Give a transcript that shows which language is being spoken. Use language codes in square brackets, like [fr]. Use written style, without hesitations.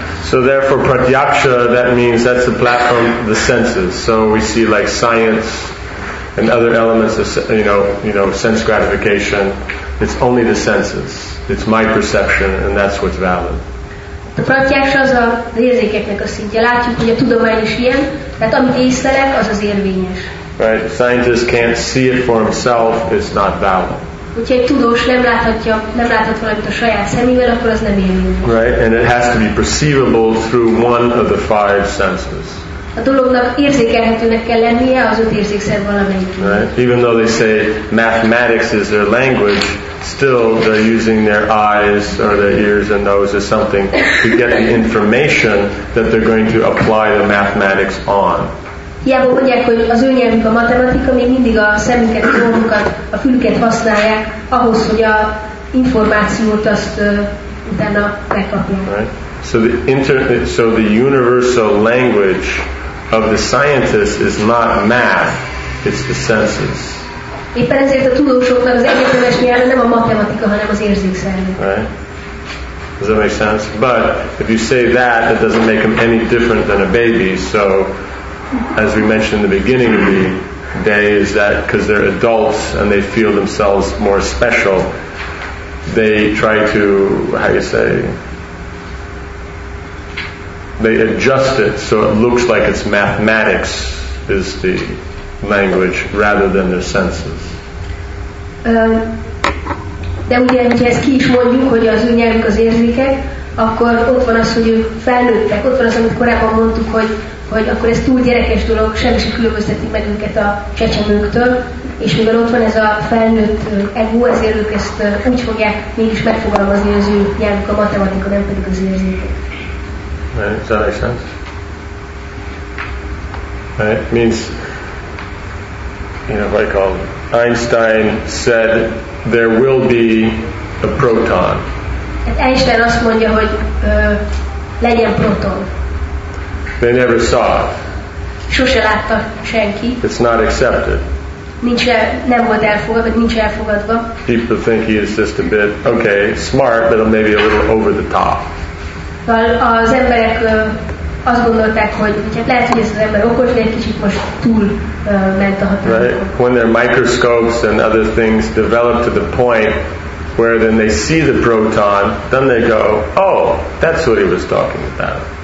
[en] So therefore, pratyaksha, that means that's the platform of the senses. So we see like science and other elements of, you know, sense gratification. It's only the senses. It's my perception, and that's what's valid. [hu] A pratyaksha az az érzékeknek a szintje. Látjuk, hogy a tudomány is ilyen, tehát amit észlelek, az az érvényes. [en] Right? A scientist can't see it for himself. It's not valid. [hu] Hogyha egy tudós nem láthat valamit a saját szemével, akkor az nem érvényes. [en] Right, and it has to be perceivable through one of the five senses. [hu] A dolognak érzékelhetőnek kell lennie az öt érzékszer valamelyik. [en] Right, even though they say mathematics is their language, still they're using their eyes or their ears and nose or something to get the information that they're going to apply the mathematics on. [hu] Hiába mondják, hogy az ő nyelvük a matematika, még mindig a szemüket, a orrukat, a fülüket használják ahhoz, hogy a információt azt utána megkapják. [en] Right. So the universal language of the scientist is not math, it's the senses. [hu] Éppen ezért a tudósoknak az egyetemes nyelve nem a matematika, hanem az érzékszerve. [en] Right. Does that make sense? But if you say that, it doesn't make them any different than a baby, so as we mentioned in the beginning of the day, is that because they're adults and they feel themselves more special, they try to, how do you say, they adjust it so it looks like it's mathematics is the language rather than their senses. [hu] De ugye, hogyha ezt ki is mondjuk, hogy az ő nyelvük az érzékek, akkor ott van az, hogy ők felnőttek, ott van az, amit korábban mondtuk, hogy akkor ez túl gyerekes dolog, semmi sem különbözteti meg őket a csecsemőktől, és mivel ott van ez a felnőtt ego, ezért ők ezt úgy fogják mégis megfogalmazni az ő nyelvük, a matematika, nem pedig az érzékek. [en] Right, does that make sense? Right, means, you know, like all Einstein said, there will be a proton. [hu] Einstein azt mondja, hogy legyen proton. [en] They never saw it. [hu] Sose látta senki. [en] It's not accepted. [hu] Nem volt elfogadva, nincs elfogadva. [en] People think he is just a bit, okay, smart, but maybe a little over the top. [hu] Az emberek azt gondolták, hogy lehet, hogy ez az ember okos, de egy kicsit most túl ment a határon. [en] Right? When their microscopes and other things develop to the point where then they see the proton, then they go, oh, that's what he was talking about.